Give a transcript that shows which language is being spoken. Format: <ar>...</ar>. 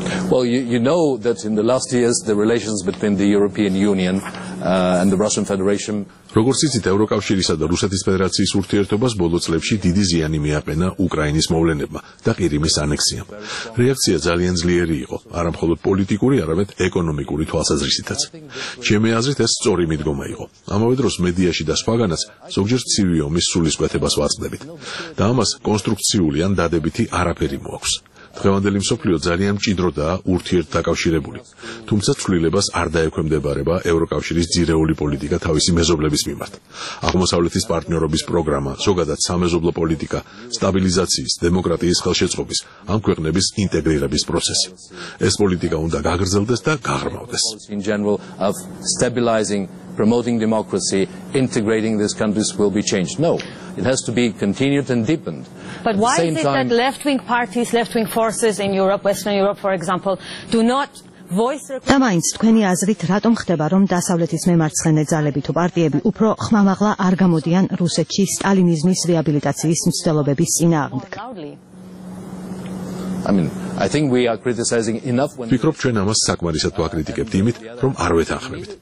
<en>Well, you know that in the last years the relations between the European Union and the Russian Federation.</en> <ka>როგორც იცით, ევროკავშირისა და რუსეთის ფედერაციის ურთიერთობას ბოლო წლებში დიდი ზიანი მიაყენა უკრაინის მოვლენებმა და ყირიმის ანექსიამ. რეაქცია ძალიან ძლიერი იყო, არამხოლოდ პოლიტიკური, არამედ ეკონომიკური თვალსაზრისითაც. ჩემი აზრით, ეს სწორი მიდგომა იყო. ამავე დროს მედიაში და სხვაგანაც ზოგჯერ ცივი ომის სულისკვეთებას ვაწყდებით. და ამას კონსტრუქციული ან დადებითი არაფერი მოაქვს. დღევანდელი მსოფლიო ძალიან მჭიდროდაა ურთიერთ დაკავშირებული, თუმცა ცვლილებას არ დაექვემდებარება ევროკავშირის ძირეული პოლიტიკა თავისი მეზობლების მიმართ. აღმოსავლეთის პარტნიორობის პროგრამა, ზოგადად სამეზობლო პოლიტიკა, სტაბილიზაციის, დემოკრატიის ხელშეწყობის, ამ ქვეყნების ინტეგრირების პროცესი. ეს პოლიტიკა უნდა გაგრძელდეს და გაღრმავდეს.</ka> <en>promoting democracy, integrating these countries will be changed. No, it has to be continued and deepened. But why is it that left-wing parties, left-wing forces in Europe, Western Europe, for example, do not</en> <ka>დამაინც თქვენი აზრით რატომ ხდება რომ დასავლეთის მემარცხენე ძალები თუ პარტიები უფრო ხმამაღლა არ გამოდიან რუსეთში სტალინიზმის რეაბილიტაციის მცდელობების წინააღმდეგ? ვფიქრობ ჩვენ ამას საკმარისად ვაკრიტიკებთ იმით რომ არ ვეთანხმებით.</ka>